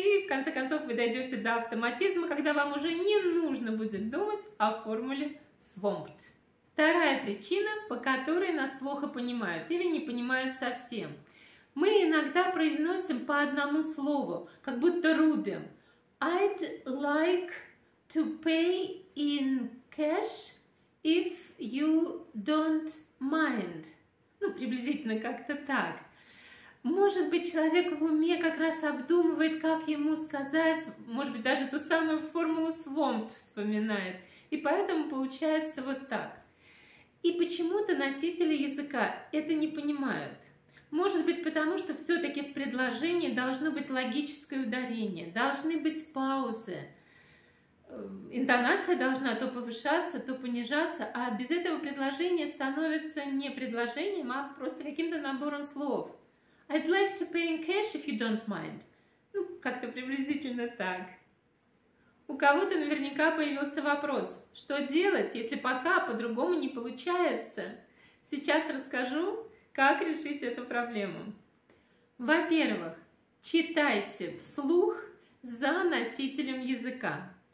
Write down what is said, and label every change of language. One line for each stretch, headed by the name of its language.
Russian: конце концов вы дойдете до автоматизма, когда вам уже не нужно будет думать о формуле swamped. Вторая причина, по которой нас плохо понимают или не понимают совсем. Мы иногда произносим по одному слову, как будто рубим.
English: I'd like to pay in cash if you don't mind.
Russian: Ну, приблизительно как-то так. Может быть, человек в уме как раз обдумывает, как ему сказать, может быть, даже ту самую формулу swamped вспоминает. И поэтому получается вот так. И почему-то носители языка это не понимают. Может быть, потому что все-таки в предложении должно быть логическое ударение, должны быть паузы. Интонация должна то повышаться, то понижаться, а без этого предложение становится не предложением, а просто каким-то набором слов.
English: I'd like to pay in cash if you don't mind.
Russian: Ну, как-то приблизительно так. У кого-то наверняка появился вопрос, что делать, если пока по-другому не получается. Сейчас расскажу, как решить эту проблему. Во-первых, читайте вслух за носителем языка.